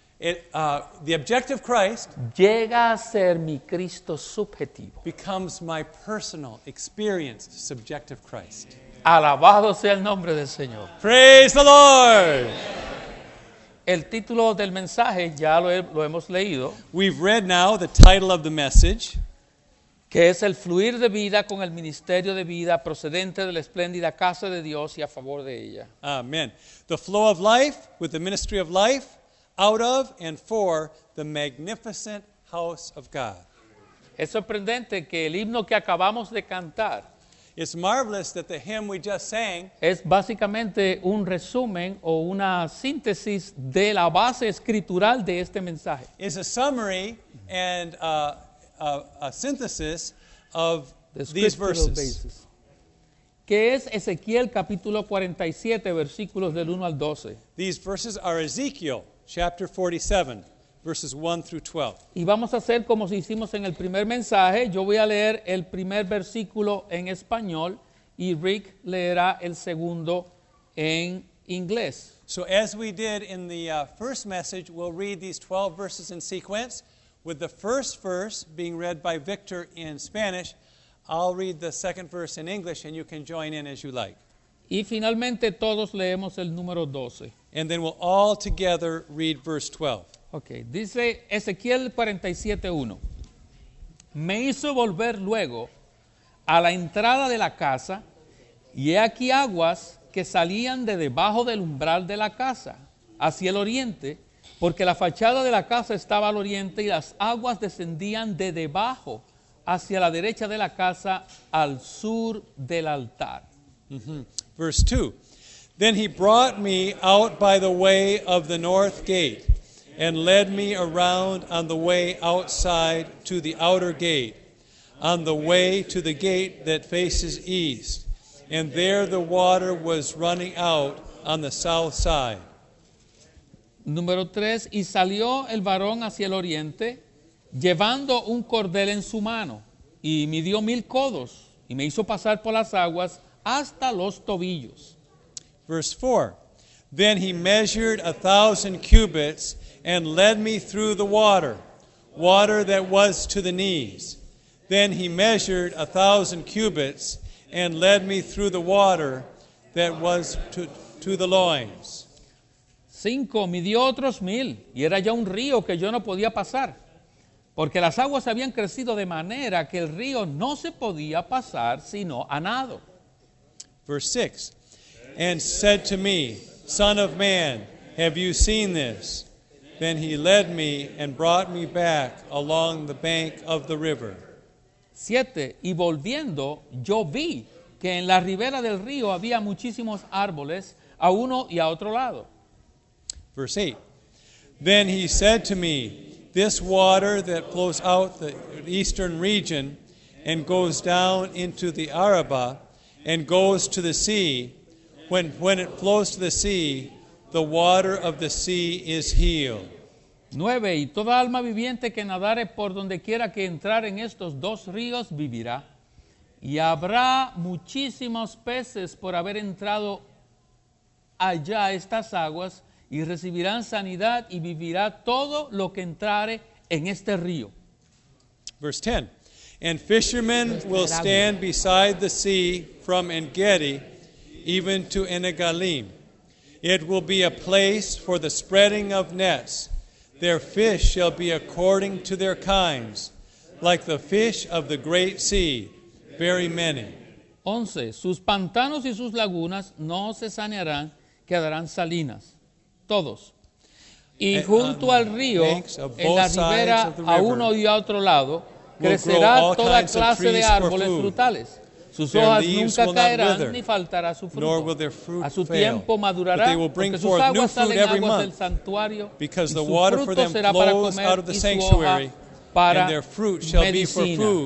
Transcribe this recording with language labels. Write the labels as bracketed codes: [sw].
[en] The objective Christ [es] llega a ser mi Cristo subjetivo. [en] Becomes my personal, experienced, subjective Christ. [es] Alabado sea el nombre del Señor. [en] Praise the Lord. [es] El título del mensaje ya lo hemos leído. [en] We've read now the title of the message. [es] Que es el fluir de vida con el ministerio de vida procedente de la espléndida casa de Dios y a favor de ella. [en] Amen. The flow of life with the ministry of life. Out of and for the magnificent house of God. [es] Es sorprendente que el himno que acabamos de cantar. [en] It's marvelous that the hymn we just sang. [es] Es básicamente un resumen o una síntesis de la base escritural de este mensaje. [en] Is a summary and a synthesis of these verses. Basis. [es] Que es Ezequiel capítulo 47 versículos del 1 al 12. [en] These verses are Ezekiel. Chapter 47, verses 1 through 12. [es] Y vamos a hacer como si hicimos en el primer mensaje. Yo voy a leer el primer versículo en español y Rick leerá el segundo en inglés. [en] So as we did in the first message, we'll read these 12 verses in sequence, with the first verse being read by Victor in Spanish. I'll read the second verse in English and you can join in as you like. [es] Y finalmente todos leemos el número 12. [en] And then we'll all together read verse 12. [es] Okay, dice Ezequiel 47:1. Me hizo volver luego a la entrada de la casa, y he aquí aguas que salían de debajo del umbral de la casa, hacia el oriente, porque la fachada de la casa estaba al oriente, y las aguas descendían de debajo hacia la derecha de la casa, al sur del altar. [en] Verse 2. Then he brought me out by the way of the north gate and led me around on the way outside to the outer gate, on the way to the gate that faces east. And there the water was running out on the south side. [es] Número 3. Y salió el varón hacia el oriente, llevando un cordel en su mano, y midió 1,000 codos, y me hizo pasar por las aguas hasta los tobillos. [en] Verse 4. Then he measured 1,000 cubits and led me through the water, water that was to the knees. Then he measured 1,000 cubits and led me through the water that was to the loins. [es] 5 midió otros 1,000, y era ya un río que yo no podía pasar, porque las aguas habían crecido de manera que el río no se podía pasar sino a nado. [en] Verse 6, and said to me, Son of man, have you seen this? Then he led me and brought me back along the bank of the river. [es] 7, y volviendo, yo vi que en la ribera del río había muchísimos árboles a uno y a otro lado. [en] Verse 8, then he said to me, This water that flows out the eastern region and goes down into the Arabah and goes to the sea, when it flows to the sea, the water of the sea is healed. [es] 9, y toda alma viviente que nadare por donde quiera que entrar en estos dos ríos vivirá, y habrá muchísimos peces por haber entrado allá estas aguas, y recibirán sanidad y vivirá todo lo que entrare en este río. [en] Verse 10, and fishermen will stand beside the sea from En-Gedi even to En-Eglaim. It will be a place for the spreading of nets. Their fish shall be according to their kinds, like the fish of the great sea, very many. [es] 11, sus pantanos y sus lagunas no se sanearán, quedarán salinas. Todos. Y junto al río, en la ribera, a uno y a otro lado, crecerá toda clase de árboles frutales. Sus hojas nunca caerán ni faltará su fruto. A su tiempo madurará, porque sus aguas salen aguas del santuario, y su fruto será para comer y su hoja para medicina.